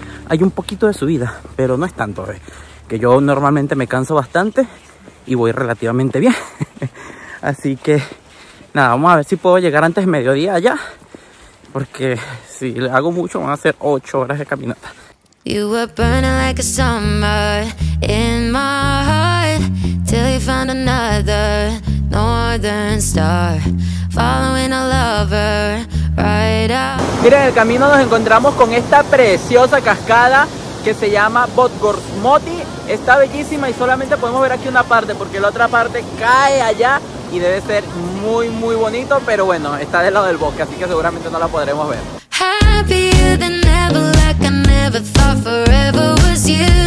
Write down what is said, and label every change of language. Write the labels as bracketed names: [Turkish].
[Spanish] Hay un poquito de subida, pero no es tanto, que yo normalmente me canso bastante y voy relativamente bien. Así que nada, vamos a ver si puedo llegar antes de mediodía allá, porque si le hago mucho van a ser 8 horas de caminata. [English] You were burning like a summer in my heart, till you found another northern star, following a lover right out. [Spanish] Miren, en el camino nos encontramos con esta preciosa cascada que se llama Bodgorsmoti. Está bellísima y solamente podemos ver aquí una parte porque la otra parte cae allá y debe ser muy muy bonito, pero bueno, está del lado del bosque, así que seguramente no la podremos ver. [English] Happier than ever, like I never thought forever was you.